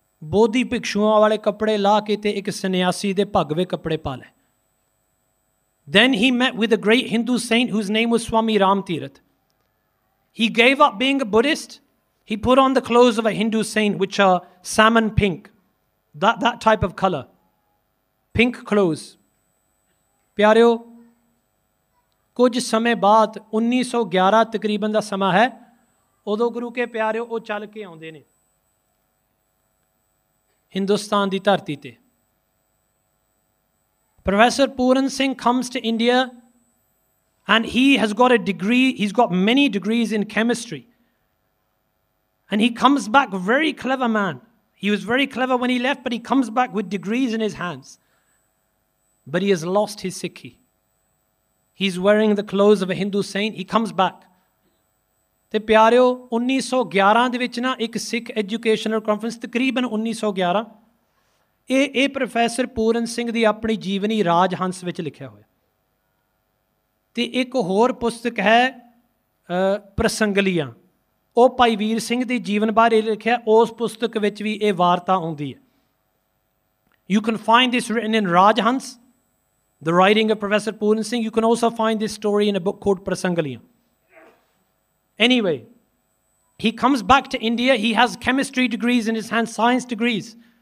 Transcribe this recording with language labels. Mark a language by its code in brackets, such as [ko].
[pa] ਬੋਧੀ ਭਿਕਸ਼ੂਆਂ ਵਾਲੇ ਕੱਪੜੇ ਲਾ ਕੇ ਅਤੇ ਇੱਕ ਸੰਨਿਆਸੀ ਦੇ ਭਗਵੇ ਕੱਪੜੇ ਪਾ ਲਏ [en] then he met with a great Hindu saint whose name was Swami Ram Tirath he gave up being a Buddhist he put on the clothes of a Hindu saint which are salmon pink that type of colour pink clothes ਪਿਆਰਿਓ [pa] ਕੁਝ ਸਮੇਂ ਬਾਅਦ 1911 ਤਕਰੀਬਨ ਦਾ ਸਮਾਂ ਹੈ ਉਦੋਂ ਗੁਰੂ ਕੇ ਪਿਆਰਿਓ ਉਹ ਚੱਲ ਕੇ ਆਉਂਦੇ ਨੇ Hindustan di tarti te. [en] Professor Puran Singh comes to India and he has got a degree, he's got many degrees in chemistry. And he comes back very clever man. He was very clever when he left, but he comes back with degrees in his hands. But he has lost his sikhi. He's wearing the clothes of a Hindu saint. He comes back. [pa] ਅਤੇ ਪਿਆਰਿਓ 1911 ਦੇ ਵਿੱਚ ਨਾ ਇੱਕ ਸਿੱਖ educational conference ਤਕਰੀਬਨ 1911 ਇਹ professor Puran Singh ਦੀ ਆਪਣੀ ਜੀਵਨੀ ਰਾਜਹੰਸ ਵਿੱਚ ਲਿਖਿਆ ਹੋਇਆ ਅਤੇ ਇੱਕ ਹੋਰ ਪੁਸਤਕ ਹੈ ਪ੍ਰਸੰਗਲੀਆਂ ਉਹ ਭਾਈ ਵੀਰ ਸਿੰਘ ਦੀ ਜੀਵਨ ਬਾਰੇ ਲਿਖਿਆ ਉਸ ਪੁਸਤਕ ਵਿੱਚ ਵੀ ਇਹ ਵਾਰਤਾ ਆਉਂਦੀ ਹੈ [en] You can find this written in Rajhans the writing of professor Puran Singh you can also find this story in a book called Prasangliyan Anyway, he comes back to India. He has chemistry degrees in his hand, science degrees.